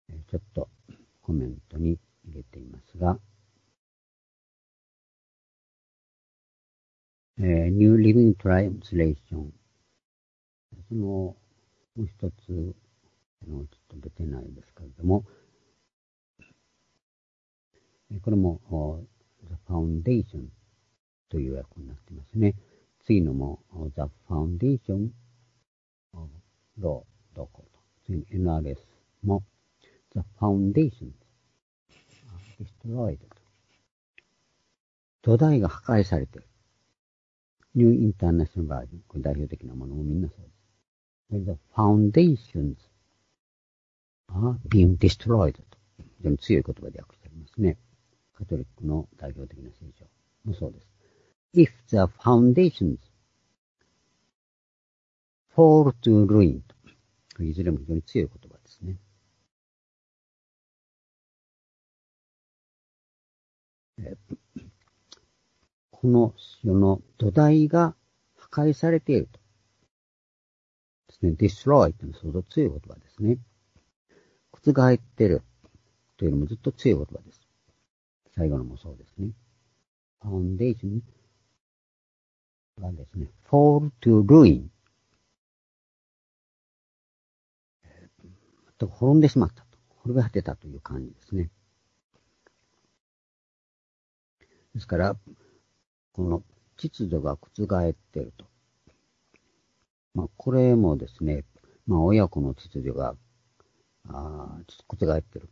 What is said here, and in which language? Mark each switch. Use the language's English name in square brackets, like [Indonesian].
[Japanese] ちょっとコメントに入れていますが、New Living Translation、そのもう一つちょっと出てないですけれども、これも [English] The Foundation [Japanese] という訳になってますね。 [English] 次のも、The Foundation of Law [Japanese] どこと。 [English] 次の NRS も、The Foundation are destroyed と。 [Japanese] 土台が破壊されている。New International Version、これ代表的なものもみんなそうです。 [English] The Foundations are being destroyed と。 [Japanese] 非常に強い言葉で訳してありますね。カトリックの代表的な聖書もそうです。 [English] If the foundations fall to ruin, [Japanese] いずれも非常に強い言葉ですね。この世の土台が破壊されていると。ですね。 destroy というのは相当強い言葉ですね。覆っているというのもずっと強い言葉です。最後のもそうですね。 [English] foundation はですね、fall to ruin。 [Japanese] 滅んでしまったと。滅び果てたという感じですね。ですから、この秩序が覆っていると。まあ、これもですね、まあ、親子の秩序が、覆っている。